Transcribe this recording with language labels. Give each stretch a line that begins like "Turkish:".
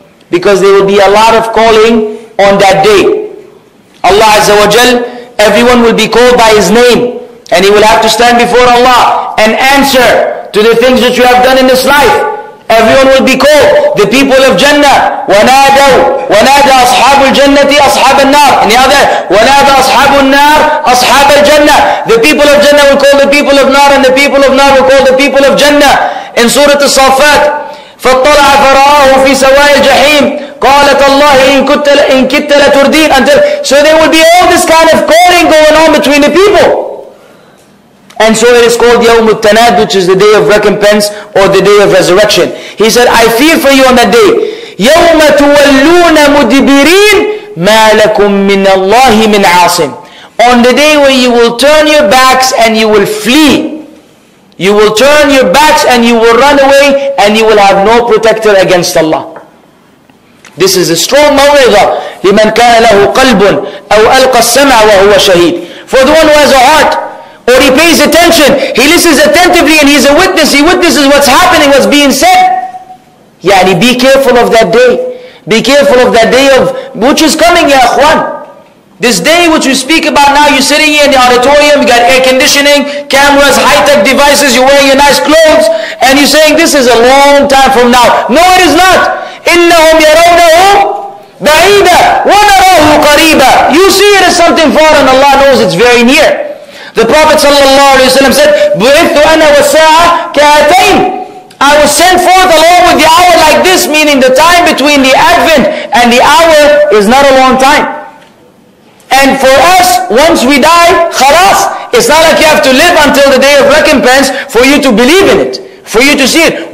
English: Because there will be a lot of calling on that day. Allah Azza wa Jal, everyone will be called by his name. And he will have to stand before Allah and answer to the things that you have done in this life. Everyone will be called. The people of Jannah.
Arabic: وَنَادَ أَصْحَابُ الْجَنَّةِ أَصْحَابَ النَّارِ.
English: And the other,
Arabic: وَنَادَ أَصْحَابُ النَّارِ أَصْحَابَ الْجَنَّةِ.
English: The people of Jannah will call the people of Nar, and the people of Nar will call the people of Jannah. In Surah As-Saffat,
Arabic: فَاطَّلَعَ فَرَآهُ فِي سَوَاءِ الْجَحِيمِ قَالَتَ اللَّهِ إِن كِتَّ لَتُرْدِينَ.
English: Until, so there will be all this kind of calling going on between the people. And so it is called Yawm al-Tanad, which is the day of recompense or the day of resurrection. He said, I fear for you on that day.
Arabic: يوم تولون مدبرين ما لكم من الله من عاصم.
English: On the day where you will turn your backs and you will flee. You will turn your backs and you will run away, and you will have no protector against Allah. This is a strong mawidah.
Arabic: لمن كان له قلب أو ألقى السمع وهو شهيد.
English: For the one who has a heart, or he pays attention, he listens attentively and he's a witness, he witnesses what's happening, what's being said. Yani, be careful of that day. Be careful of that day of which is coming, ya akhwan. This day which we speak about now, you're sitting here in the auditorium, you got air conditioning, cameras, high-tech devices, you're wearing your nice clothes, and you're saying this is a long time from now. No, it is not.
Arabic: إِنَّهُمْ يَرَوْنَهُ بَعِيدًا وَنَرَوْهُ قَرِيبًا.
English: You see it as something far, and Allah knows it's very near. The Prophet ﷺ said,
Arabic: بُعِثُ أَنَا وَالسَّاعَةَ كَأَتَيْنِ.
English: I was sent forth along with the hour like this, meaning the time between the advent and the hour is not a long time. And for us, once we die, خلاص, it's not like you have to live until the day of recompense for you to believe in it, for you to see it.